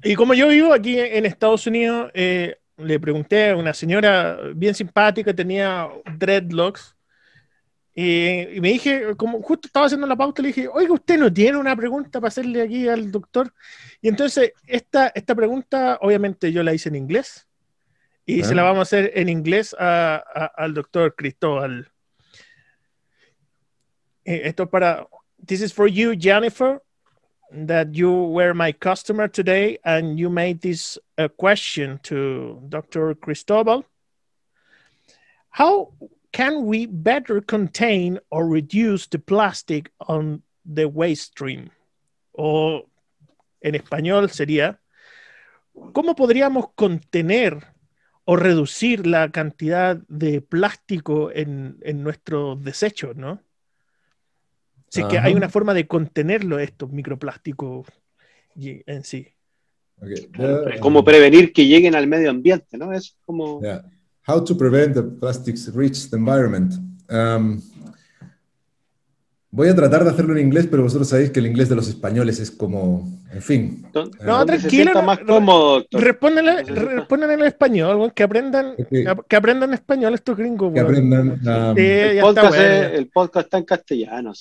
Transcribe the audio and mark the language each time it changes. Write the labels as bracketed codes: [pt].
[es] Y como yo vivo aquí en Estados Unidos, le pregunté a una señora bien simpática, tenía dreadlocks, y me dije, como justo estaba haciendo la pauta, le dije: oiga, ¿usted no tiene una pregunta para hacerle aquí al doctor? Y entonces esta pregunta, obviamente, yo la hice en inglés, y se la vamos a hacer en inglés al doctor Cristóbal. Esto es para: [en] this is for you, Jennifer, that you were my customer today and you made this question to Dr. Cristóbal. How can we better contain or reduce the plastic on the waste stream? [es] O en español sería: ¿cómo podríamos contener o reducir la cantidad de plástico en nuestros desechos, ¿no? Así que hay una forma de contenerlo, estos microplásticos en sí. Okay. Como prevenir que lleguen al medio ambiente, ¿no? Es como... Yeah. [en] How to prevent the plastics reach the environment. [es] Voy a tratar de hacerlo en inglés, pero vosotros sabéis que el inglés de los españoles es como... En fin. No, tranquilo. Está más cómodo, doctor. Respondan en español, que aprendan, okay. Que aprendan español estos gringos. Que aprendan... El podcast está en castellano.